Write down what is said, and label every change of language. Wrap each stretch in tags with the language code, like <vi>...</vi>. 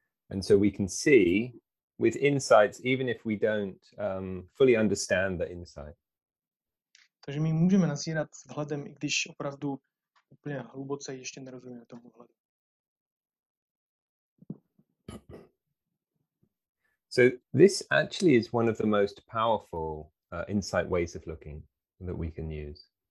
<en>And so we can see with insights, even if we don't fully understand the insight.</en> <cs>Takže my můžeme nazírat vhledem, i když opravdu úplně hluboce ještě nerozumíme tomu vhledu.</cs> <en>So this actually is one of the most powerful insight ways of looking that we can use.</en>